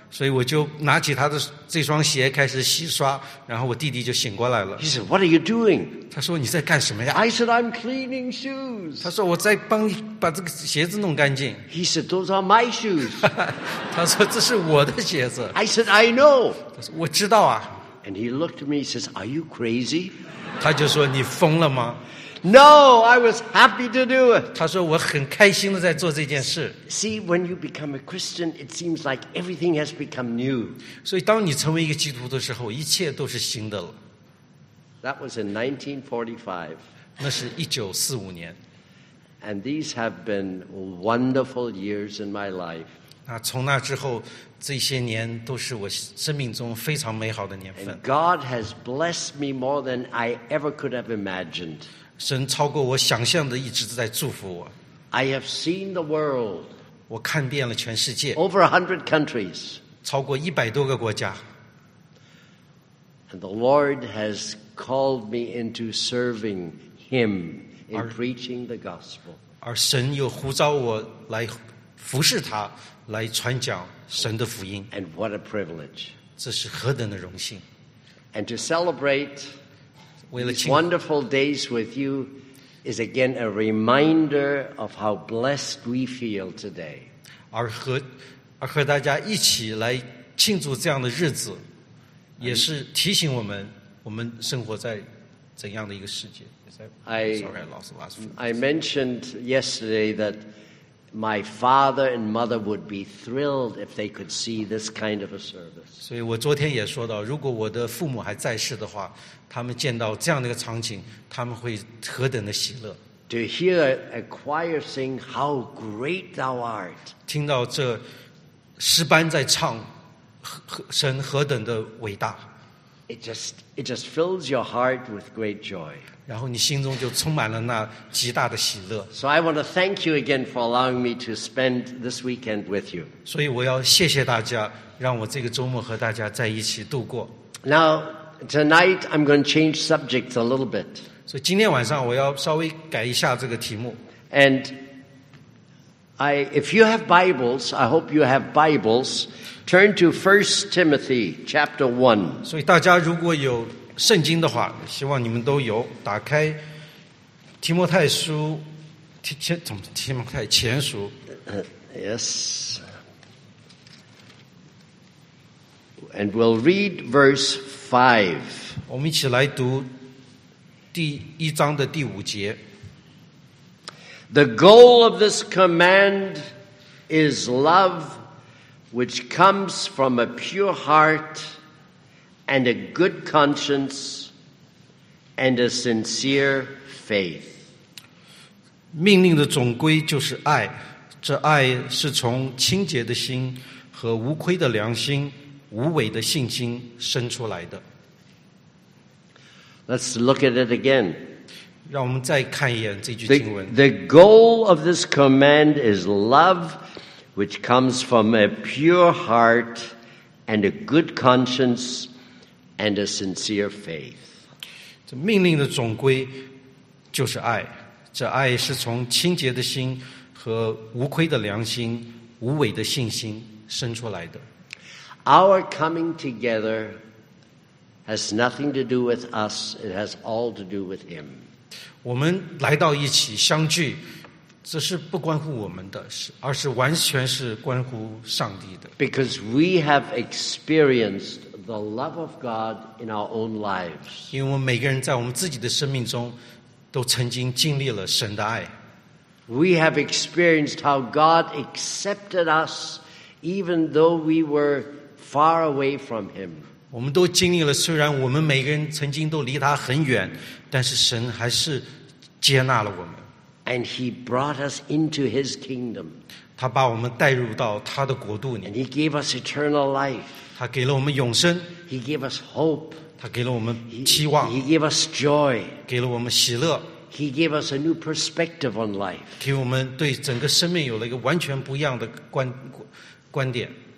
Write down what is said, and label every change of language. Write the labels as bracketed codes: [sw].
[zh] 所以我就拿起他的这双鞋开始洗刷，然后我弟弟就醒过来了。 [en] He said, what are you doing? [zh] 他说，你在干什么呀？ [en] I said, I'm cleaning shoes. [zh] 他说，我在帮你把这个鞋子弄干净。 [en] He said, those are my shoes. [zh] 他说，这是我的鞋子。 [en] I said, I know. [zh] 他说，我知道啊。 [en] And he looked at me, he says, are you crazy? [zh] 他就说，你疯了吗？ [en] No, I was happy to do it. [zh] 他说，我很开心地在做这件事。 [en] See, when you become a Christian, it seems like everything has become new. [zh] 所以当你成为一个基督徒的时候，一切都是新的了。 [en] That was in 1945. [zh] 那是1945年。 [en] And these have been wonderful years in my life. [zh] 那从那之后，这些年都是我生命中非常美好的年份。 [en] And God has blessed me more than I ever could have imagined. [zh] 神超过我想象的一直在祝福我。 [en] I have seen the world. [zh] 我看遍了全世界。 [en] Over 100 countries. [zh] 超过100多个国家。 [en] And the Lord has called me into serving him in preaching the gospel. [zh] 而神又呼召我来服侍他来传讲神的福音。 [en] And what a privilege. [zh] 这是何等的荣幸。 [en] And to celebrate these wonderful days with you is again a reminder of how blessed we feel today. [zh] 而和大家一起来庆祝这样的日子，也是提醒我们，我们生活在怎样的一个世界。 [en] I mentioned yesterday that my father and mother would be thrilled if they could see this kind of a service. [zh] 所以我昨天也说到，如果我的父母还在世的话，他们见到这样的一个场景，他们会何等的喜乐。 [en] To hear a choir sing, "How great thou art!" [zh] 听到这诗班在唱神何等的伟大。 [en] It just fills your heart with great joy. [zh] 然后你心中就充满了那极大的喜乐。 [en] So I want to thank you again for allowing me to spend this weekend with you. [zh] 所以我要谢谢大家，让我这个周末和大家在一起度过。 [en] Now, tonight I'm going to change subjects a little bit. [zh] 所以今天晚上我要稍微改一下这个题目。 [en] And if you have Bibles, I hope you have Bibles. Turn to 1 Timothy chapter 1. [zh] 所以大家如果有圣经的话，希望你们都有，打开提摩太书，提摩太前书。 [en] Yes. And we'll read verse 5. [zh] 我们一起来读第一章的第五节。 [en] The goal of this command is love. Which comes from a pure heart and a good conscience and a sincere faith. [zh] 命令的总归就是爱，这爱是从清洁的心和无愧的良心、无伪的信心生出来的。 [en] Let's look at it again. [zh] 让我们再看一眼这句经文。 [en] The goal of this command is love. Which comes from a pure heart and a good conscience and a sincere faith. [zh] 这命令的总归就是爱，这爱是从清洁的心和无愧的良心、无伪的信心生出来的。 [en] Our coming together has nothing to do with us, it has all to do with Him. [zh] 我们来到一起相聚这是不关乎我们的，而是完全是关乎上帝的。 [en] Because we have experienced the love of God in our own lives. [zh] 因为我们每个人在我们自己的生命中，都曾经经历了神的爱。 [en] We have experienced how God accepted us, even though we were far away from Him. [zh] 我们都经历了，虽然我们每个人曾经都离他很远，但是神还是接纳了我们。 [en] And he brought us into his kingdom. [zh] 他把我们带入到他的国度里。 [en] And he gave us eternal life. [zh] 他给了我们永生。 [en] He gave us hope. [zh] 他给了我们期望。 [en] He gave us joy. [zh] 给了我们喜乐。 [en] He gave us a new perspective on life. [zh] 给我们对整个生命有了一个完全不一样的观点。